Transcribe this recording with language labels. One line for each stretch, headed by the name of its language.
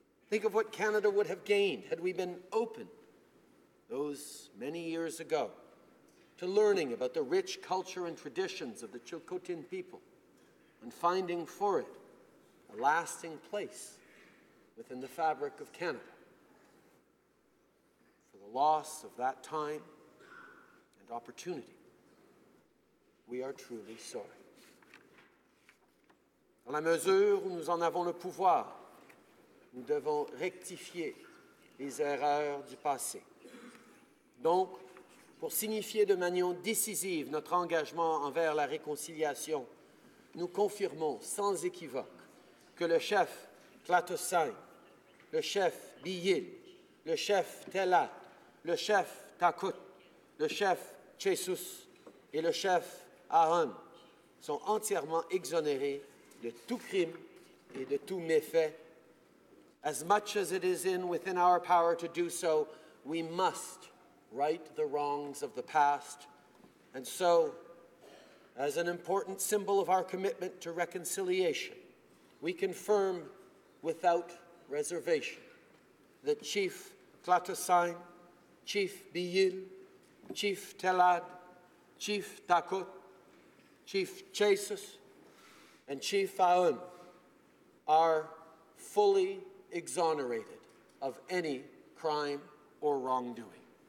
English: Think of what Canada would have gained had we been open those many years ago to learning about the rich culture and traditions of the Tsilhqot’in people and finding for it a lasting place within the fabric of Canada. For the loss of that time and opportunity, we are truly sorry.
French: Dans la mesure où nous en avons le pouvoir, nous devons rectifier les erreurs du passé. Donc, pour signifier de manière décisive notre engagement envers la réconciliation, nous confirmons sans équivoque que le chef Tsilhqot’in, le chef Biyil, le chef Telat, le chef Takut, le chef Chesus et le chef Aaron sont entièrement exonérés de tout crime et de tout méfait.
English: As much as it is within our power to do so, we must right the wrongs of the past. And so, as an important symbol of our commitment to reconciliation, we confirm without reservation that Chief Tsilhqot’in, Chief Biyil, Chief Telat, Chief Takut, Chief Chesus, and Chief Aaron are fully exonerated of any crime or wrongdoing.